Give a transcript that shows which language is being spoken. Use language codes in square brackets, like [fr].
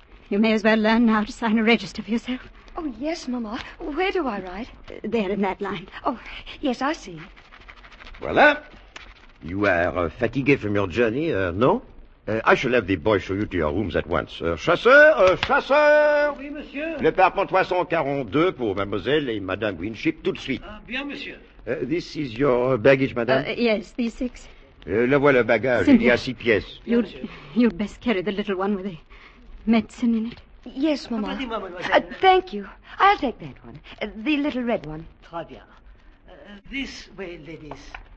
[en] You may as well learn now to sign a register for yourself. Oh, yes, mamma. Where do I write? There in that line. Oh, yes, I see. Voilà. You are fatigued from your journey, no? I shall have the boy show you to your rooms at once. [fr] Chasseur! Oui, monsieur? L'appartement 342 pour mademoiselle et madame Greenship, tout de suite. Bien, monsieur. [en] This is your baggage, madame? Yes, these six. [fr] Le voilà, le bagage. Simple. Il y a six pièces. [en] You'd best carry the little one with the medicine in it. Yes, mama. Thank you. I'll take that one. The little red one. [fr] Très bien. [en] This way, ladies.